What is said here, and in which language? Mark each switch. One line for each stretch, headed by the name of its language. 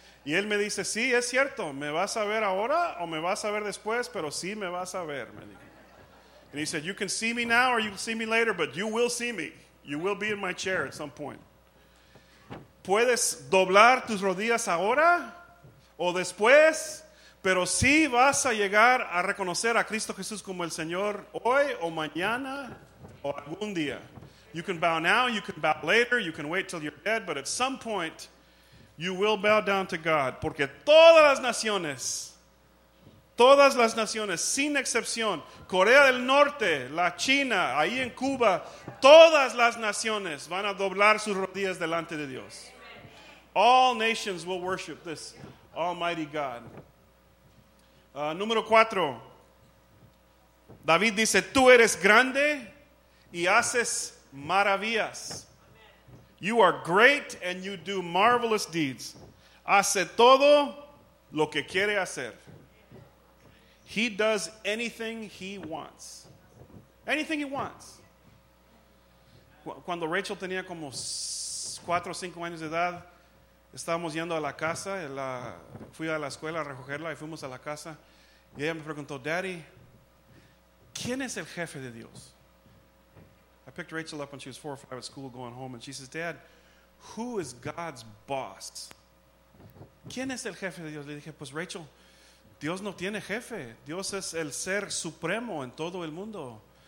Spanish: Y él me dice, sí, es cierto. ¿Me vas a ver ahora o me vas a ver después? Pero sí me vas a ver.
English: And he said, you can see me now or you'll see me later, but you will see me. You will be in my chair at some point.
Spanish: ¿Puedes doblar tus rodillas ahora o después? Pero sí vas a llegar a reconocer a Cristo Jesús como el Señor hoy o mañana o algún día.
English: You can bow now, you can bow later, you can wait till you're dead, but at some point You will bow down to God,
Spanish: porque todas las naciones, sin excepción, Corea del Norte, la China, ahí en Cuba, todas las naciones van a doblar sus rodillas delante de Dios.
English: All nations will worship this Almighty God.
Spanish: Número cuatro, David dice, tú eres grande y haces maravillas.
English: You are great and you do marvelous deeds.
Spanish: Hace todo lo que quiere hacer.
English: He does anything he wants. Anything he wants.
Spanish: Cuando Rachel tenía como 4 o 5 años de edad, estábamos yendo a la casa. Fui a la escuela a recogerla y fuimos a la casa. Y ella me preguntó, Daddy, ¿quién es el jefe de Dios?
English: I picked Rachel up when she was 4 or 5 at school going home. And she says, Dad, who is God's boss?
Spanish: ¿Quién es el jefe de Dios? Le dije, pues Rachel, Dios no tiene jefe. Dios es el ser supremo en todo el mundo.